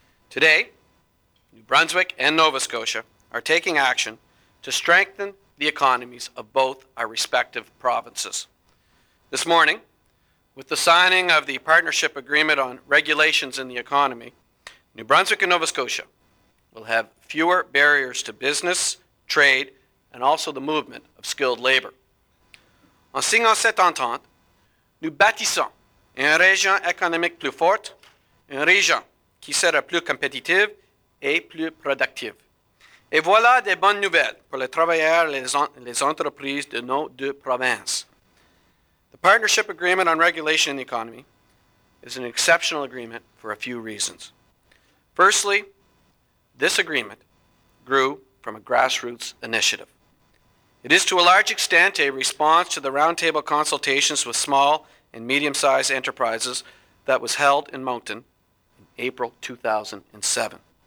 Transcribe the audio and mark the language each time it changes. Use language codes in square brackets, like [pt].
[en] Today, New Brunswick and Nova Scotia are taking action to strengthen the economies of both our respective provinces. This morning, with the signing of the Partnership Agreement on Regulations in the Economy, New Brunswick and Nova Scotia will have fewer barriers to business, trade, and also the movement of skilled labor. [fr] En signant cette entente, nous bâtissons une région économique plus forte, une région qui sera plus compétitive et plus productive. Et voilà des bonnes nouvelles pour les travailleurs et les entreprises de nos deux provinces. [en] The Partnership Agreement on Regulation in the Economy is an exceptional agreement for a few reasons. Firstly, this agreement grew from a grassroots initiative. It is to a large extent a response to the roundtable consultations with small and medium-sized enterprises that was held in Moncton in April 2007.